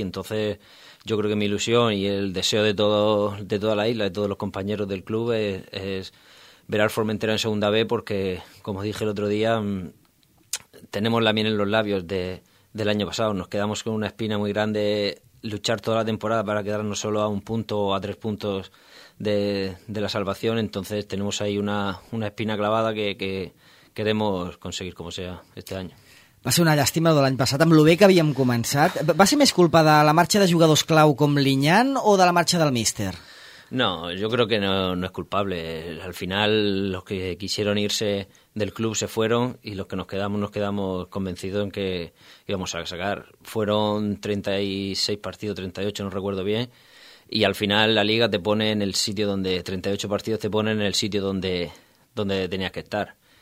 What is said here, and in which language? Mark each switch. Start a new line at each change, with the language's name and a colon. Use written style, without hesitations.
Spanish: Entonces, yo creo que mi ilusión y el deseo de toda la isla, de todos los compañeros del club, es ver al Formentera en segunda B, porque, como dije el otro día, tenemos la miel en los labios del año pasado. Nos quedamos con una espina muy grande, luchar toda la temporada para quedarnos solo a un punto o a tres puntos de la salvación. Entonces, tenemos ahí una espina clavada que queremos conseguir como sea este año.
Catalan: Va ser una llàstima de l'any passat, amb el bé que havíem començat. Va ser més culpa de la marxa de jugadors clau com Liñán o de la marxa del míster?
Spanish: No, yo creo que no es culpable. Al final, los que quisieron irse del club se fueron y los que nos quedamos convencidos en que íbamos a sacar. Fueron 36 partidos, 38, no recuerdo bien, y al final la liga te pone en el sitio donde, 38 partidos te ponen en el sitio donde tenías que estar.